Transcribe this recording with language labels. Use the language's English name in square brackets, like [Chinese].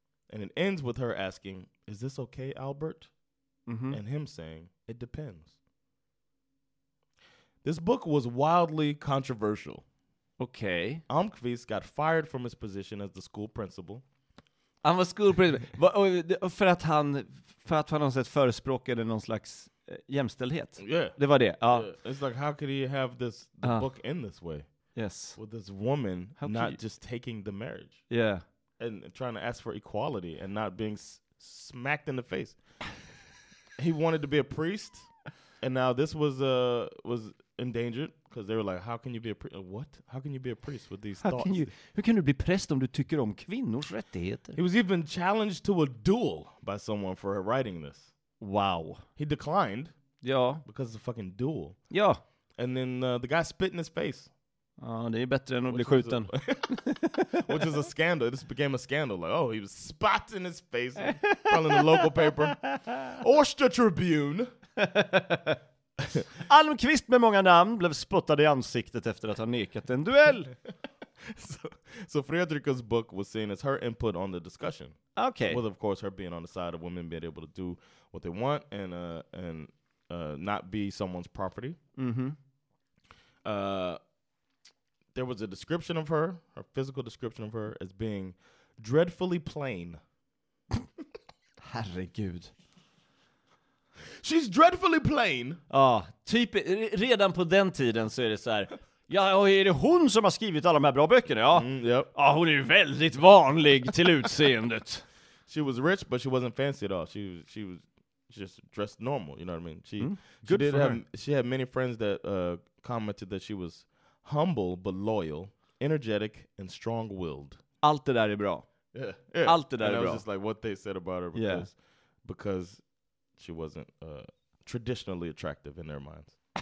[English] And it ends with her asking, is this okay, Albert? Mm-hmm. And him saying, it depends. This book was wildly controversial. Okay. Almqvist got fired from his position as the school principal. [Swedish] Han var skolpresident. För att han någon sätt förespråkade någon slags jämställdhet. [English] Yeah. [Swedish] Det var det. Ja. [English] It's like, how could he have this book in this way? Yes. With this woman how not just taking the marriage. Yeah. And trying to ask for equality and not being smacked in the face. He wanted to be a priest. And now this was endangered because they were like, how can you be a priest? What? How can you be a priest with these thoughts? [Swedish] Hur kan du bli präst om du tycker om kvinnors rättigheter? [English] He was even challenged to a duel by someone for writing this. Wow. He declined. Yeah. Because it's a fucking duel. Yeah. And then the guy spit in his face. [Swedish] Ah, det är bättre än att bli skjuten. [English] Which is a scandal. This became a scandal. Like, oh, he was spat in his face. Fell in the local paper. Orsta Tribune. [Swedish] Almqvist med många namn blev spottad i ansiktet efter att ha nekat en duell. [English] So Fredrika's book was seen as her input on the discussion. Okay. With, of course, her being on the side of women being able to do what they want and not be someone's property. Mm-hmm. There was a description of her, a physical description of her, as being dreadfully plain. [Swedish] Herregud. [English] She's dreadfully plain. [Swedish] Ja, typ redan på den tiden så är det så här. Ja, och är det hon som har skrivit alla de här bra böckerna? Ja, ja, hon är väldigt vanlig till utseendet. [English] She was rich, but she wasn't fancy at all. She was just dressed normal, you know what I mean? She, good for her. She had many friends that commented that she was humble but loyal, energetic and strong-willed. [Swedish] Allt det där är bra. [English] Yeah. [Swedish] Allt det där [English] and [Swedish] är bra. [English] It was just like what they said about her because she wasn't traditionally attractive in their minds.